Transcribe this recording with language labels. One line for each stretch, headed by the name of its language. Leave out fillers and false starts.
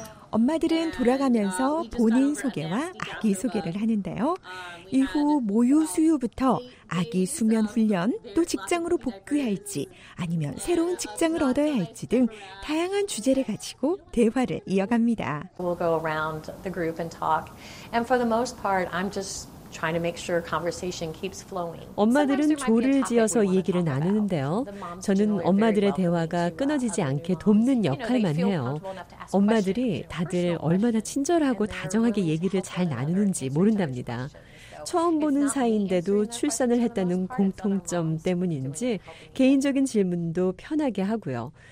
Korean: 엄마들은 돌아가면서 본인 소개와 아기 소개를 하는데요. 이후 모유 수유부터 아기 수면 훈련 또 직장으로 복귀할지 아니면 새로운 직장을 얻어야 할지 등 다양한 주제를 가지고 대화를 이어갑니다.
English: We'll go around the group and talk. And for the most part, I'm just trying to make sure conversation keeps flowing.
Korean: 엄마들은 조를 지어서 얘기를 나누는데요. 저는 엄마들의 대화가 끊어지지 않게 돕는 역할만 해요. 엄마들이 다들 얼마나 친절하고 다정하게 얘기를 잘 나누는지 모른답니다. 처음 보는 사이인데도 출산을 했다는 공통점 때문인지 개인적인 질문도 편하게 하고요.